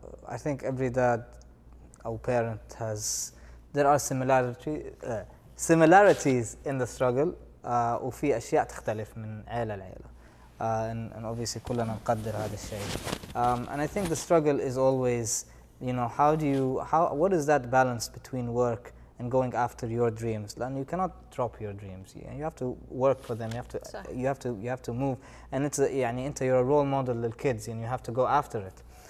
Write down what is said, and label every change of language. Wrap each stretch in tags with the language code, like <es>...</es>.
<en>I think every dad or parent has, there are similarities in the struggle.</en> <ar>وفي أشياء تختلف من عائلة لعائلة.</ar> <en>And obviously</en> <ar>كلنا نقدر هذا الشيء.</ar> <en>And I think the struggle is always, you know, how do you, how, what is that balance between work and going after your dreams? And you cannot drop your dreams. You have to work for them. You have to move. And it's يعني أنت you're a role model للكيدز and you have to go after it.</en>